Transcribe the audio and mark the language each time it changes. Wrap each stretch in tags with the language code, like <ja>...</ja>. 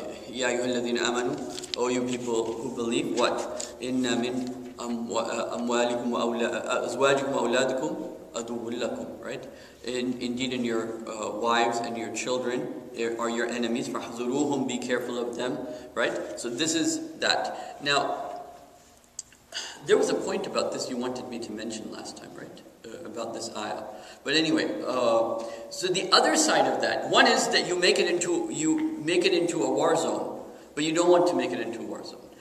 <en>يَا أَيُّهَا الَّذِينَ آمَنُوا, oh you people who believe, what?</en> <ar>إِنَّ مِنْ أَمْوَالِكُمْ وَأَزْوَاجِكُمْ وَأَوْلَادِكُمْ أَدُوٌّ لَكُمْ, right?</ar> <en>Indeed in your wives and your children are your enemies, فَحْذُرُوهُمْ, be careful of them, right? So this is that. Now, there was a point about this you wanted me to mention last time, right? About this ayah. But anyway, so the other side of that, one is that you make it into a war zone, but you don't want to make it into a war zone.</en>